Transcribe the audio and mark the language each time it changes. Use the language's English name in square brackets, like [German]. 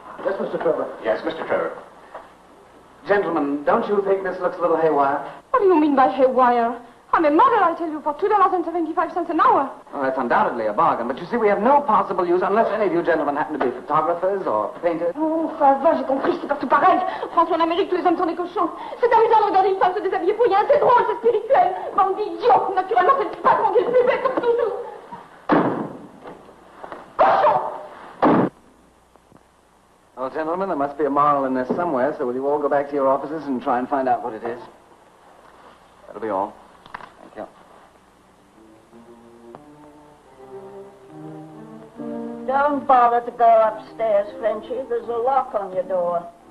[English] Yes, Mr. Trevor. Yes, Mr. Trevor. Gentlemen, don't you think this looks a little haywire? What do you mean by haywire? I'm a model, I tell you, for $2.75 an hour. Well, that's undoubtedly a bargain. But you see, we have no possible use unless any of you gentlemen happen to be photographers or painters. Oh, for a [French] j'ai compris, c'est partout pareil. France en Amérique, tous les hommes sont des cochons. C'est amusant de regarder une femme se déshabiller pour rien. C'est drôle, c'est spirituel. Bande d'idiots. Naturellement, c'est le patron qui est le plus bête, comme toujours. Cochon! [English] Well, gentlemen, there must be a moral in this somewhere, so will you all go back to your offices and try and find out what it is? That'll be all. Don't bother to go upstairs, Frenchie. There's a lock on your door.